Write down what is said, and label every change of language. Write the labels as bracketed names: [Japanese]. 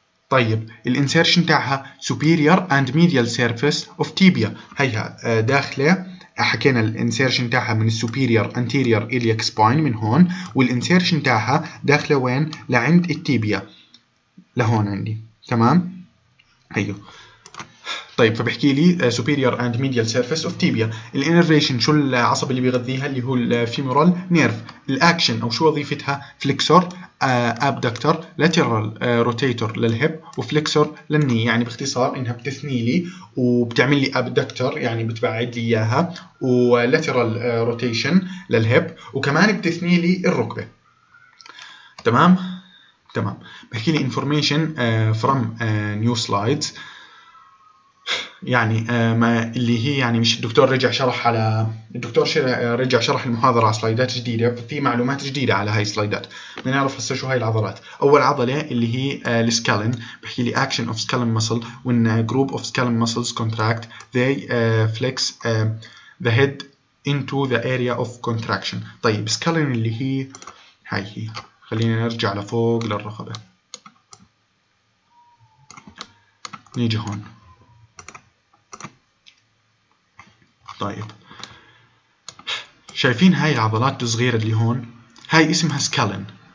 [Arabic] طيب الانسيرشن تاعها [English] superior and medial surface of tibia، [Arabic] هيها داخلة، حكينا الانسيرشن تاعها من [English] superior anterior iliac spine [Arabic] من هون، والانسيرشن تاعها داخلة وين؟ لعند التيبيا، لهون عندي تمام؟ هيو طيب فبحكي لي [English] superior and medial surface of tibia. [Arabic] الانرفيشن شو العصب اللي بيغذيها اللي هو الفيمورال نيرف. الاكشن او شو وظيفتها فليكسور ابدكتور لاترال روتيتور للهب وفليكسور للني. يعني باختصار انها بتثني لي وبتعمل لي ابدكتور يعني بتبعد لي اياها ولاترال روتيشن للهب وكمان بتثني لي الركبه. تمام بحكي لي [English] information from new slides [Arabic] يعني ما اللي هي يعني مش الدكتور رجع شرح على الدكتور رجع شرح المحاضرة على سلايدات جديدة في معلومات جديدة على هاي السلايدات. بنعرف هسه شو هاي العضلات. أول عضلة اللي هي السكالن بحكي لي [English] action of scalen muscle when group of scalen muscles contract they flex the head into the area of contraction. [Arabic] طيب سكالن اللي هي هاي هي خلينا نرجع لفوق للرقبة نيجي هون. طيب شايفين هاي العضلات الصغيرة اللي هون هاي اسمها سكالن.